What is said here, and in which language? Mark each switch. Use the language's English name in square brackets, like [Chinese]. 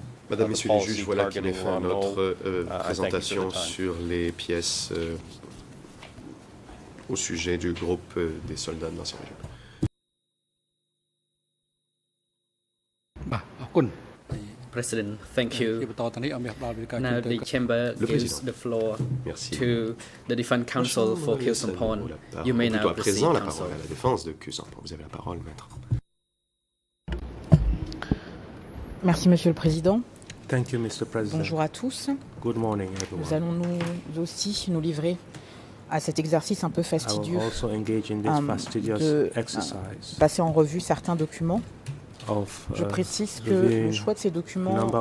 [French] Madame, Messieurs les juges, voilà qui met fin à notre présentation sur les pièces au sujet du groupe des soldats de l'ancien régime. [English] President, thank you. Now the chamber gives the floor to the defense counsel for Khieu Somphone. You may now proceed, counsel. [French] La défense de Khieu Somphone. Vous avez la parole, maître. Merci, Monsieur le Président. [English] Thank you, Mr. President. [French] Bonjour à tous. [English] Good morning, everyone. [French] Nous allons nous aussi nous livrer à cet exercice un peu fastidieux. [English] I will also engage in this fastidious exercise. [French] Passer en revue certains documents. Je précise que le choix de ces documents